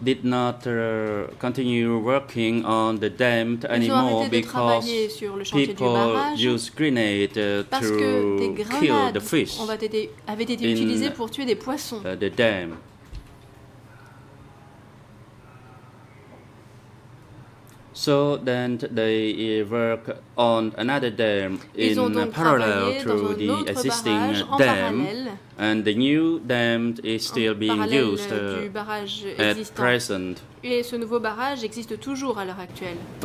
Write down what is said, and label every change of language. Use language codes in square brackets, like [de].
[en] They did not continue working on the dam anymore because people used grenades to kill the fish. [fr] Parce que des grenades avaient été utilisées pour tuer des poissons. [en] The dam. So then they work on another dam in parallel to the existing dam, and the new dam is still being used at present. [fr] Et ce nouveau barrage existe toujours à l'heure actuelle.